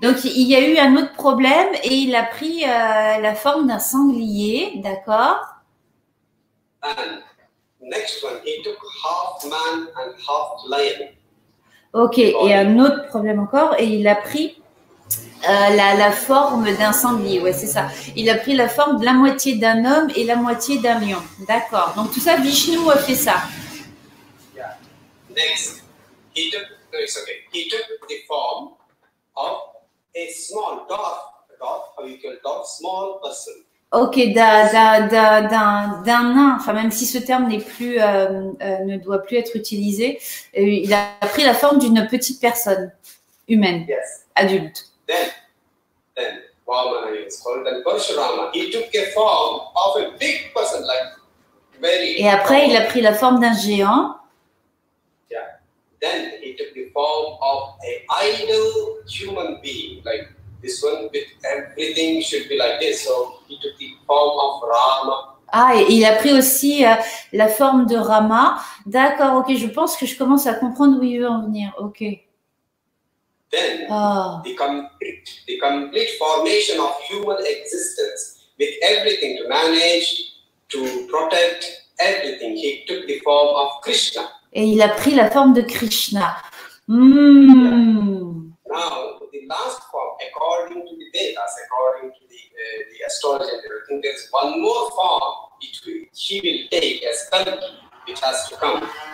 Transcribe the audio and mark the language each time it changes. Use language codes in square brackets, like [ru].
[fr] Donc, il y a eu un autre problème et il a pris la forme d'un sanglier, d'accord. [en] And next one, he took half man and half lion. [fr] Ok, et un autre problème encore, et il a pris la forme d'un sanglier, ouais, c'est ça. Il a pris la forme de la moitié d'un homme et la moitié d'un lion, d'accord. Donc tout ça, Vishnu a fait ça. [en] Yeah. Next, he took the form of a small dog, how you call dog, small person. [fr] Ok, d'un nain, enfin, même si ce terme n'est plus, ne doit plus être utilisé, il a pris la forme d'une petite personne humaine, [en] yes. [fr] Adulte. [en] Then, Vamana is called, then Parashurama, he took a form of a big person, like very. [fr] Et après, il a pris la forme d'un géant. [en] Yeah. Then, he took the form of an idle human being, like. This one with everything should be like this. So he took the form of Rama. [fr] Ah, et il a pris aussi la forme de Rama. D'accord, ok. Je pense que je commence à comprendre où il veut en venir. Ok. [en] Then, the complete formation of human existence with everything to manage, to protect everything. He took the form of Krishna. [fr] Et il a pris la forme de Krishna. [en] Now, the last form, according to the Vedas, according to the astrology and everything, there's one more form which he will take as Kalki, which has to come.